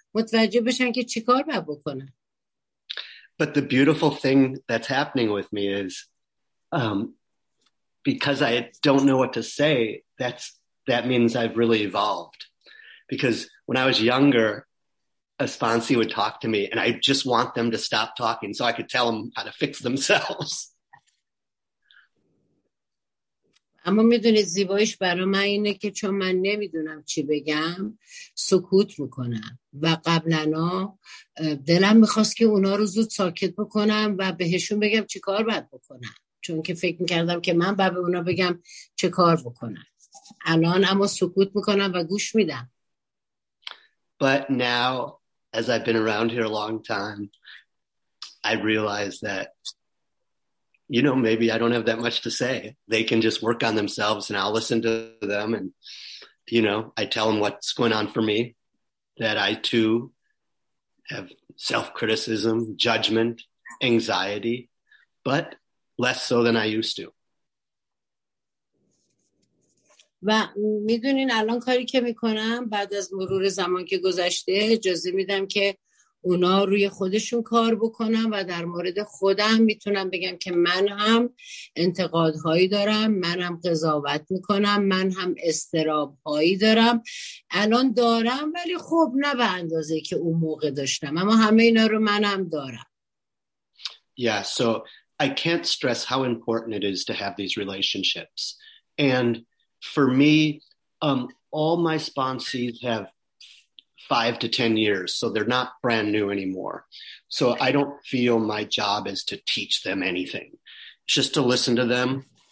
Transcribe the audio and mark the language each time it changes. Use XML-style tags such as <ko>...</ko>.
<fa>متوجه بشن که چیکار باید بکنن.</fa> <en>But the beautiful thing that's happening with me is because I don't know what to say, that means I've really evolved. Because when I was younger, a sponsee would talk to me and I just want them to stop talking so I could tell them how to fix themselves.</en> <fa>اما میدونید زیبایش برای من اینه که چون من نمیدونم چی بگم سکوت میکنم و قبلنا دلم میخواست که اونا رو زود ساکت بکنم و بهشون بگم چی کار باید بکنم چون که فکر میکردم که من باید به اونا بگم چی کار بکنم الان اما سکوت میکنم و گوش میدم.</fa> <en>But now as I've been around here a long time I realize that you know, maybe I don't have that much to say. They can just work on themselves and I'll listen to them. And, you know, I tell them what's going on for me, that I too have self-criticism, judgment, anxiety, but less so than I used to.</en> <fa>و میدونین الان کاری که میکنم بعد از مرور زمان که گذشته اجازه میدم که اونا روی خودشون کار بکنم و در مورد خودم میتونم بگم که من هم انتقادهایی دارم، من هم قضاوت میکنم، من هم استرابهایی دارم الان دارم، ولی خب نه به اندازه که اون موقع داشتم، اما همه اینا رو من هم دارم.</fa> <en>Yeah, so I can't stress how important it is to have these relationships. And for me, all my sponsees have 5 to 10 years, so they're not brand new anymore. So I don't feel my job is to teach them anything, just to listen to them.</en>